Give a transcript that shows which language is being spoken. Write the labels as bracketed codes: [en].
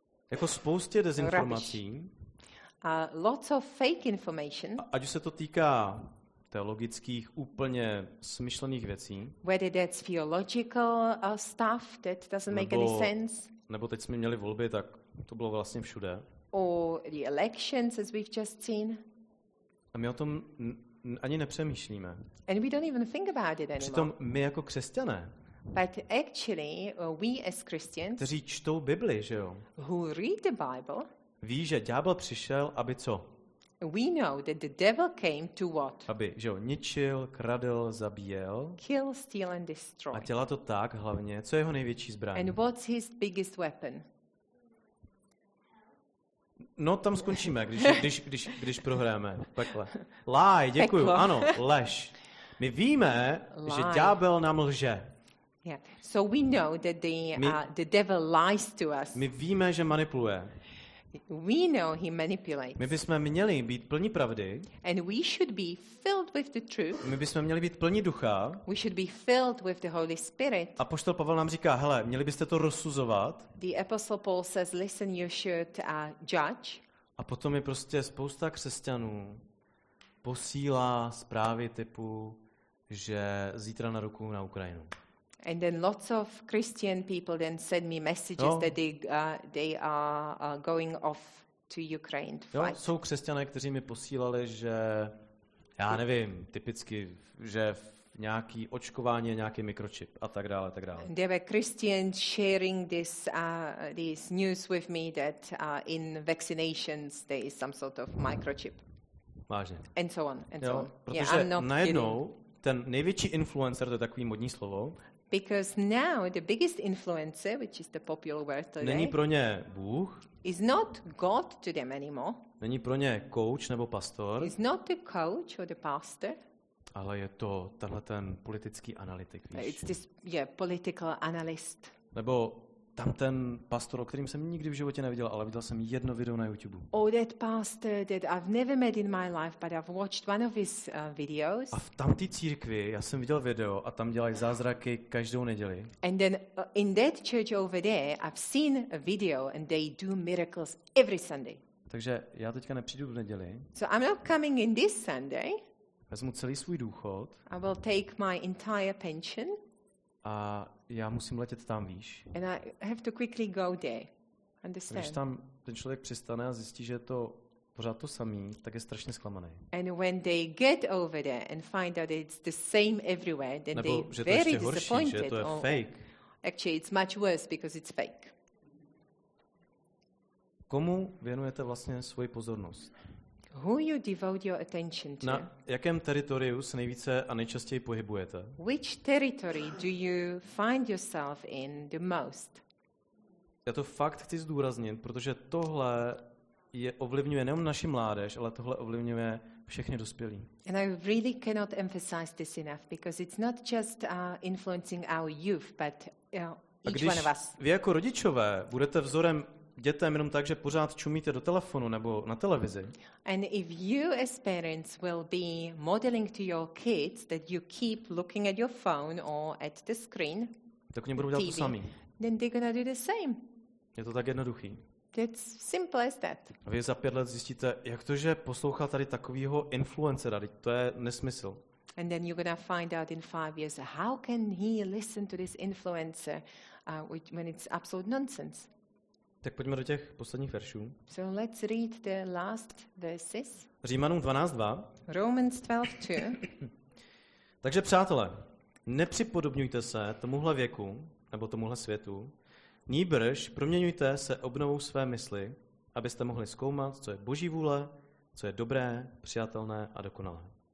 [cs] Jako spoustě dezinformací. [en] Lots of fake information. [cs] Ať už se to týká teologických, úplně smyšlených věcí. [en] Whether that's theological stuff that doesn't make any sense. [cs] Nebo teď jsme měli volby, tak to bylo vlastně všude. [en] Or the elections, as we've just seen. [cs] A my o tom ani nepřemýšlíme. [en] And we don't even think about it anymore. [cs] Přitom my jako křesťané. [en] But actually, we as Christians. [cs] Kteří čtou Bibli, že jo? [en] Who read the Bible? [cs] Ví, že ďábel přišel, aby co? [en] We know that the devil came to what? [cs] Aby, že jo, ničil, kradl, zabíjel. [en] Kill, steal and destroy. [cs] A dělá to tak hlavně. Co je jeho největší zbraň? [en] And what's his biggest weapon? [cs] No, tam skončíme, když prohráme. Pekle. [en] Lie, [cs] děkuju. Peklo. Ano, lež. My víme, [en] lie. [cs] Že ďábel nám lže. [en] Yeah. So we know that the devil lies to us. [cs] My víme, že manipuluje. [en] We know he manipulates. [cs] My bychom měli být plní pravdy. [en] And we should be filled with the truth. [cs] My bychom měli být plní ducha. [en] We should be filled with the Holy Spirit. [cs] A apoštol Pavel nám říká, hele, měli byste to rozsuzovat. [en] The apostle Paul says, listen, you should judge. [cs] A potom je prostě spousta křesťanů posílá zprávy typu, že zítra narukují na Ukrajinu. [en] And then lots of Christian people then send me messages no. That they are going off to Ukraine to fight. [cs] Jo, jsou křesťané, kteří mi posílali, že já nevím, typicky, že nějaký očkování, nějaký mikročip a tak dále, a tak dále. [en] There were Christians sharing this news with me that in vaccinations there is some sort of microchip. [cs] Vážně. [en] And so on, and [cs] jo, [en] so on. [cs] Protože [en] yeah, I'm not [cs] najednou [en] kidding. [cs] Ten největší influencer, to je takový modní slovo. [en] Because now the biggest influencer, which is the popular word today, [cs] není pro ně Bůh. [en] Is not God to them anymore. [cs] Není pro ně coach nebo pastor. [en] Is not the coach or the pastor. [cs] Ale je to tenhle ten politický analytik, víš? [en] It's this political analyst. [cs] Nebo tam ten pastor, o kterým jsem nikdy v životě neviděl, ale viděl jsem jedno video na YouTube. [en] Oh, that pastor that I've never met in my life, but I've watched one of his videos. [cs] A v tamtý církvi já jsem viděl video a tam dělají zázraky každou neděli. [en] And then in that church over there, I've seen a video and they do miracles every Sunday. [cs] Takže já teďka nepřijdu v neděli. [en] So I'm not coming in this Sunday. [cs] Vezmu celý svůj důchod. [en] I will take my entire pension. [cs] A já musím letět tam, víš. [en] And I have to quickly go there. Understand? [cs] Když tam ten člověk přistane a zjistí, že je to pořád to samý, tak je strašně zklamaný. [en] And when they get over there and find out it's the same everywhere, then [cs] nebo, [en] they very disappointed. [cs] Horší, že to je fake. [en] Actually, it's much worse because it's fake. [cs] Komu věnujete vlastně svoji pozornost? [en] Who you devote your attention to? [cs] Na jakém teritoriu se nejvíce a nejčastěji pohybujete? [en] Which territory do you find yourself in the most? [cs] Já to fakt chci zdůraznit, protože tohle je ovlivňuje nejen naši mládež, ale tohle ovlivňuje všechny dospělí. [en] And I really cannot emphasize this enough because it's not just influencing our youth, but each one of us. [cs] Vy jako rodičové budete vzorem dětem jenom tak, že pořád čumíte do telefonu nebo na televizi. [en] And if you as parents will be modeling to your kids that you keep looking at your phone or at the screen, [cs] tak oni budou dělat to samý. [en] Then they're gonna do the same. [cs] Je to tak jednoduchý. [en] That's simple as that. [cs] A vy za 5 let zjistíte, jak to, že poslouchá tady takovýho influencera, to je nesmysl. [en] And then you're gonna find out in 5 years how can he listen to this influencer when it's absolute nonsense. [cs] Tak pojďme do těch posledních veršů. [en] So let's read the last verses. [cs] Římanům 12:2. [en] Romans 12:2. [cs] Takže přátelé, nepřipodobňujte se tomuhle věku, nebo tomuhle světu, nýbrž proměňujte se obnovou své mysli, abyste mohli zkoumat, co je Boží vůle, co je dobré, přijatelné a dokonalé.